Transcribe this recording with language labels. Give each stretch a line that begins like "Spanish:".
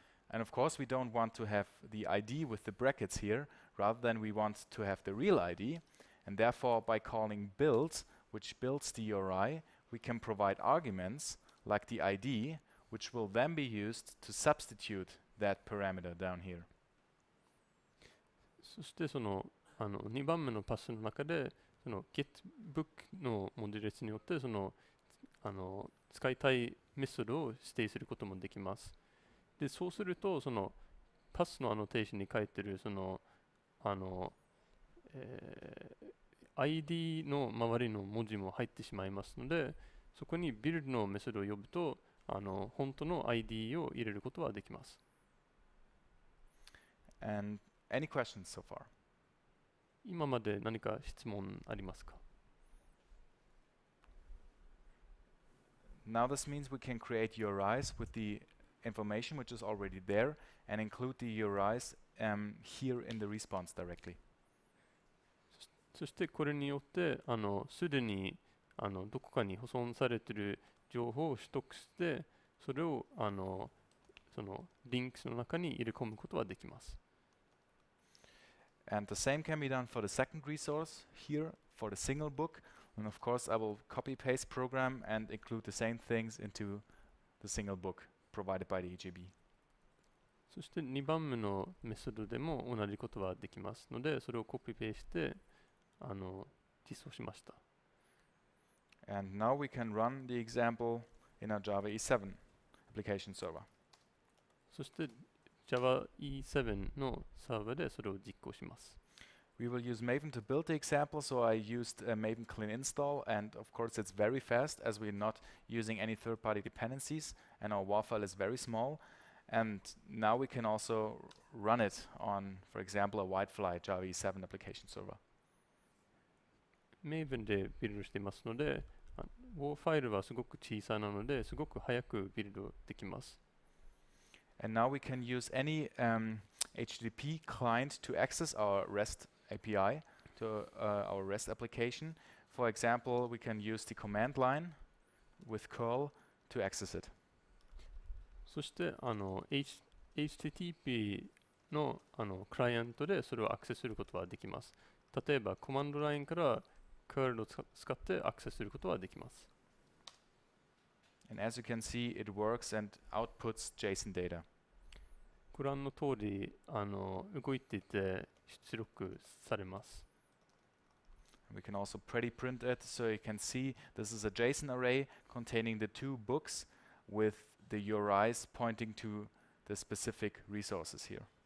English: And of course, we don't want to have the ID with the brackets here, rather than we want to have the real ID. And therefore, by calling build, which builds the URI, we can provide arguments like the ID, which will then be used to substitute that parameter down here.
Japanese: そしてその、あの、2番目のパスの中で、その get book の文字列によって、その、あの、使いたいメソッドを指定することもできます。でそうすると、そのパスのアノテーションに書いてるそのあの、ID の周りの文字も入ってしまいますので、そこにビルドのメソッドを呼ぶと、あの本当の ID を入れることはできます。
English: And any questions so far?
Japanese: 今まで何か質問ありますか?
English: Now this means we can create URIs with the information which is already there and include the URIs here in the response directly.
Japanese: そしてこれによってすでにどこかに保存されている情報を取得してそれをそのリンクの中に入れ込むことはできます。
English: And the same can be done for the second resource here for the single book. And of course, I will copy paste program and include the same things into the single book provided by the EJB.
Japanese: そして2番目のメソッドでも同じことはできますのでそれをコピペして実装しました。
English: And now we can run the example in our Java E7 application server.
Japanese: そして Java E7 のサーバーでそれを実行します。
English: We will use Maven to build the example, so I used a Maven clean install, and of course it's very fast as we're not using any third-party dependencies, and our WAR file is very small. And now we can also run it on, for example, a Whitefly Java E7 application server.
Japanese: Maven でビルドしていますので、WAR ファイルはすごく小さなので、すごく早くビルドできます。
English: And now we can use any HTTP client to access our REST API to our REST application. For example, we can use the command line with curl to access it.
Japanese: そして HTTP の クライアントでそれをアクセスすることはできます。例えばコマンドラインからCurl を使ってアクセスすることはできます。
English: And as you can see, it works and outputs JSON data.
Japanese: ご覧の通り、動いていて出力されます。
English: We can also pretty print it, so you can see this is a JSON array containing the two books with the URIs pointing to the specific resources here.